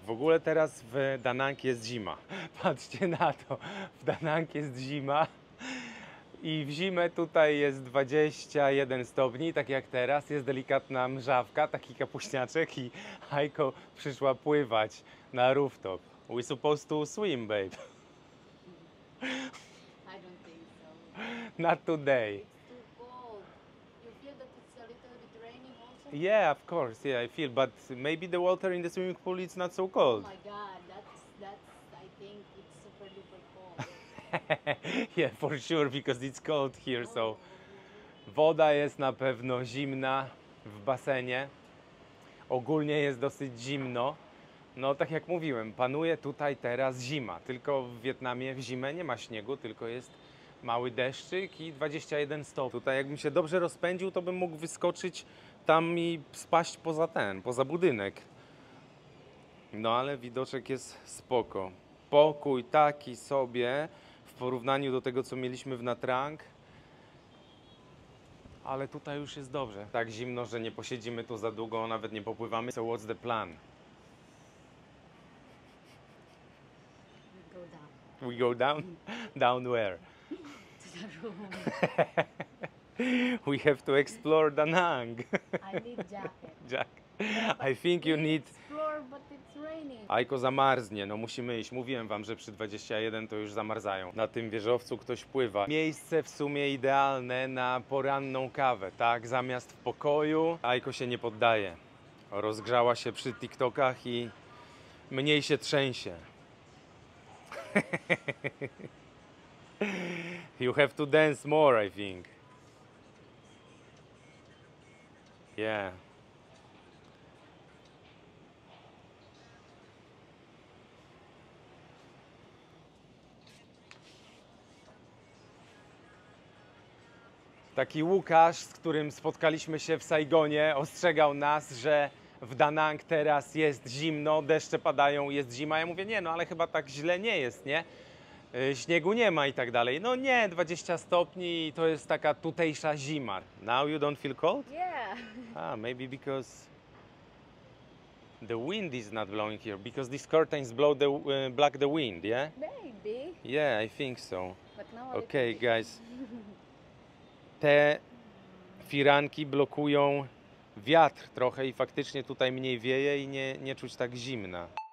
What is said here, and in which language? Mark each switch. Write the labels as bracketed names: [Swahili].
[Polish] W ogóle teraz w Da Nang jest zima. Patrzcie na to. W Da Nang jest zima. I w zimę tutaj jest 21 stopni, tak jak teraz. Jest delikatna mrzawka, taki kapuśniaczek i Heiko przyszła pływać na rooftop. [English] We supposed to swim, babe. I don't think so. Not today. It's too cold. You feel that it's a little bit raining also? Yeah, of course, yeah, I feel. But maybe the water in the swimming pool is not so cold. Oh my god, I think it's super duper cold. Yeah, for sure, because it's cold here, so... [Polish] Woda jest na pewno zimna w basenie. Ogólnie jest dosyć zimno. No, tak jak mówiłem, panuje tutaj teraz zima. Tylko w Wietnamie w zimę nie ma śniegu, tylko jest mały deszczyk i 21 stopni. Tutaj jakbym się dobrze rozpędził, to bym mógł wyskoczyć tam i spaść poza ten, poza budynek. No, ale widoczek jest spoko. Pokój taki sobie w porównaniu do tego, co mieliśmy w Nha Trang. Ale tutaj już jest dobrze. Tak zimno, że nie posiedzimy tu za długo, nawet nie popływamy. [English] So what's the plan? We go down. Down where? To the room. We have to explore Da Nang. I need jacket. Jack. I think you need... Explore, but it's raining. [Polish] Aiko zamarznie, no musimy iść. Mówiłem wam, że przy 21 to już zamarzają. Na tym wieżowcu ktoś pływa. Miejsce w sumie idealne na poranną kawę, tak? Zamiast w pokoju. Aiko się nie poddaje. Rozgrzała się przy TikTokach i mniej się trzęsie. [English] You have to dance more, I think. Yeah. [Polish] Taki Łukasz, z którym spotkaliśmy się w Saigonie, ostrzegał nas, że w Da Nang teraz jest zimno, deszcze padają, jest zima. Ja mówię, nie, no ale chyba tak źle nie jest, nie? Śniegu nie ma i tak dalej. No nie, 20 stopni i to jest taka tutejsza zima. [English] Now you don't feel cold? Yeah. Ah, maybe because the wind is not blowing here, because these curtains blow the, block the wind, yeah? Maybe. Yeah, I think so. But now okay, guys. [Polish] Te firanki blokują wiatr trochę i faktycznie tutaj mniej wieje i nie czuć tak zimna.